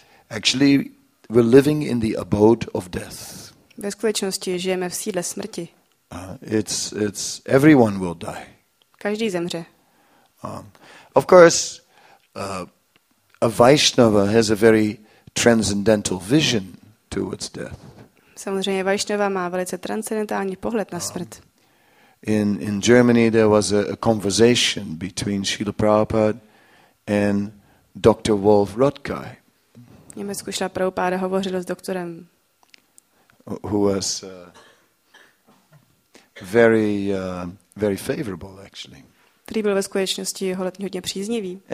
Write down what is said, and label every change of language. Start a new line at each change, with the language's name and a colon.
English: Actually we're living in the abode of death.
Czech: Ve skutečnosti žijeme v sídle smrti.
English: It's everyone will die.
Czech: Každý zemře.
English: Of course a Vaishnava has a very transcendental vision towards death.
Czech: Samozřejmě Vaishnava má velice transcendentální pohled na smrt.
English: In Germany there was a conversation between Srila Prabhupada and Dr. Wolf Rodkai.
Czech: V Německu Šrila Prabhupáda hovořil s doktorem,
English: who was very very favorable actually.
Czech: Který byl ve skutečnosti hodně příznivý.